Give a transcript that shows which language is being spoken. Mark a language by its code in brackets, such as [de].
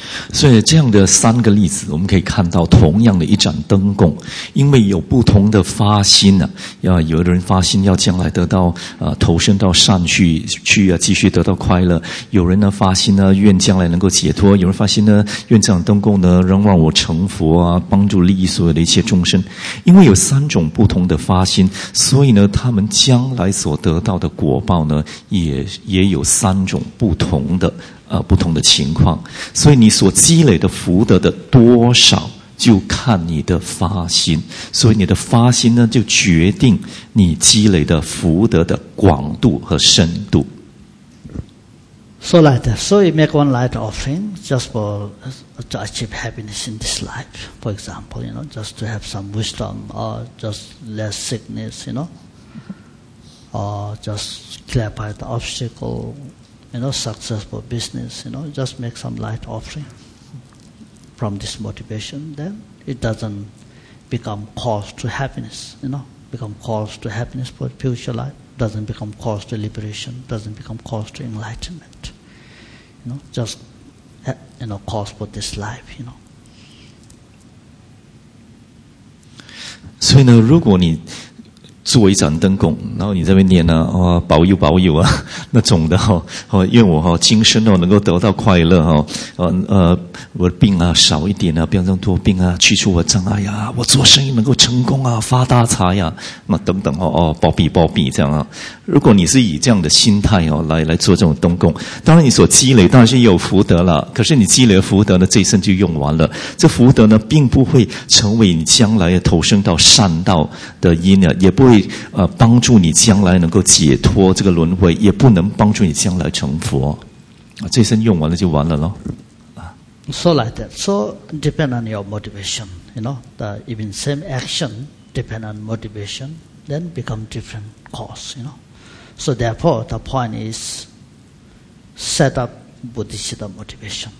[zh] 所以这样的三个例子我们可以看到同样的一盏灯供，因为有不同的发心啊，要有的人发心要将来得到投身到善去啊，继续得到快乐，有人呢发心呢愿将来能够解脱，有人发心呢愿这盏灯供呢仍让我成佛啊，帮助利益所有的一切众生，因为有三种不同的发心，所以呢他们将来所得到的果报呢也有三种不同的不同的情况，所以你所积累的福德的多少就看你的发心，所以你的发心呢就决定你积累的福德的广度和深度。 [en] So like that. So you make one light offering just for to achieve happiness in this life, for example, you know, just to have some wisdom or just less sickness, you know, or just clarify the obstacleYou know, successful business, you know, just make some light offering from this motivation, then it doesn't become cause to happiness, you know, become cause to happiness for future life, doesn't become cause to liberation, doesn't become cause to enlightenment, you know, just, you know, cause for this life, you know. [zh] 所以呢，如果你做一盏灯供，然后你在那边念啊，哦，保佑保佑啊，那种的哈，哦，愿我哈今生哦能够得到快乐哈，我的病啊少一点啊，不要这么多病啊，去除我障碍呀，我做生意能够成功啊，发大财呀，那等等哈，哦，包庇包庇这样啊。如果你是以这样的心态哦来做这种灯供，当然你所积累当然是有福德了，可是你积累的福德呢，这一生就用完了，这福德呢并不会成为你将来投生到善道的因啊，也不。会帮助你将来能够解脱这个轮回，也不能帮助你将来成佛，这身用完了就完了咯。 [en] So like that. So depend on your motivation. You know, the even same action depend on motivation, then become different cause. You know, so therefore the point is set up bodhicitta motivation.